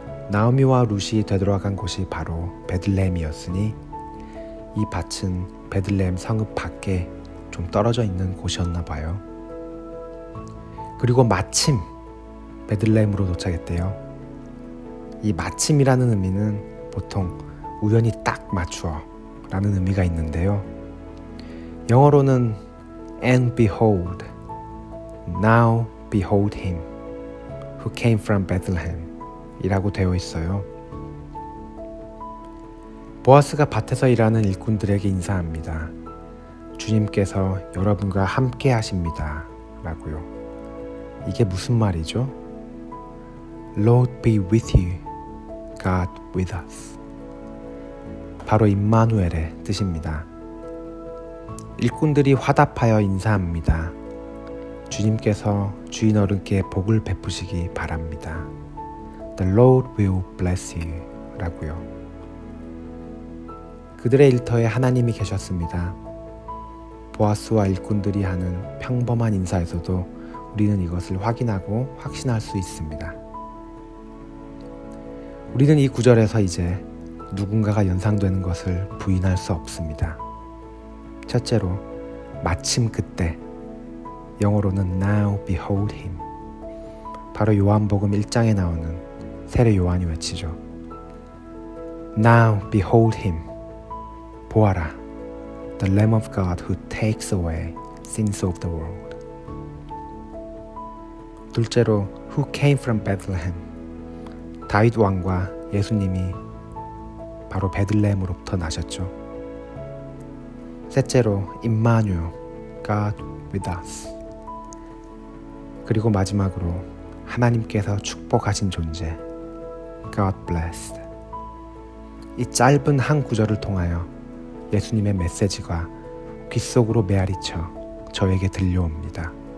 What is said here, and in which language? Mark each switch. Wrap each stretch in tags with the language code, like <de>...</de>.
<ko>나오미와 룻이 되돌아간 곳이 바로 베들레헴이었으니 이 밭은 베들레헴 성읍 밖에 좀 떨어져 있는 곳이었나 봐요. 그리고 마침 베들레헴으로 도착했대요. 이 마침이라는 의미는 보통 우연히 딱 맞추어 라는 의미가 있는데요. 영어로는</ko> <en>And behold, now behold him who came from Bethlehem</en> <ko>이라고 되어 있어요. 보아스가 밭에서 일하는 일꾼들에게 인사합니다. 주님께서 여러분과 함께 하십니다 라고요. 이게 무슨 말이죠?</ko> <en>Lord be with you, God with us.</en> <ko>바로 임마누엘의 뜻입니다. 일꾼들이 화답하여 인사합니다. 주님께서 주인 어른께 복을 베푸시기 바랍니다.</ko> <en>The Lord will bless you 라고요.</en> <ko>그들의 일터에 하나님이 계셨습니다. 보아스와 일꾼들이 하는 평범한 인사에서도 우리는 이것을 확인하고 확신할 수 있습니다. 우리는 이 구절에서 이제 누군가가 연상되는 것을 부인할 수 없습니다. 첫째로 마침 그때, 영어로는</ko> <en>Now behold him.</en> <ko>바로 요한복음 1장에 나오는 세례 요한이 외치죠.</ko> <en>Now behold him.</en> <ko>보아라,</ko> <en>The Lamb of God who takes away sins of the world.</en> <ko>둘째로</ko> <en>Who came from Bethlehem?</en> <ko>다윗 왕과 예수님이 바로 베들레헴으로부터 나셨죠. 셋째로</ko> <en>임마누엘, God with us.</en> <ko>그리고 마지막으로 하나님께서 축복하신 존재,</ko> <en>God blessed.</en> <ko>이 짧은 한 구절을 통하여 예수님의 메시지가 귓속으로 메아리쳐 저에게 들려옵니다.</ko>